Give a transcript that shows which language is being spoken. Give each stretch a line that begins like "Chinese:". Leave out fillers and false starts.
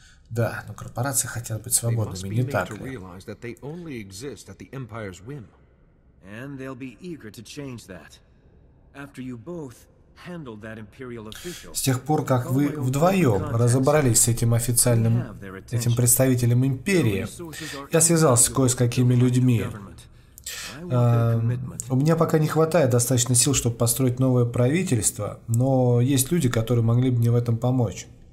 Russian: Да, но корпорации хотят быть свободными, не так ли?
English: And they'll be eager to change that. After you both handled that imperial official.
Russian: С тех пор, как вы вдвоем разобрались с этим официальным, этим представителем империи, я связался кое с какими людьми. У меня пока не хватает достаточно сил, чтобы построить новое правительство, но есть люди, которые могли бы мне в этом помочь.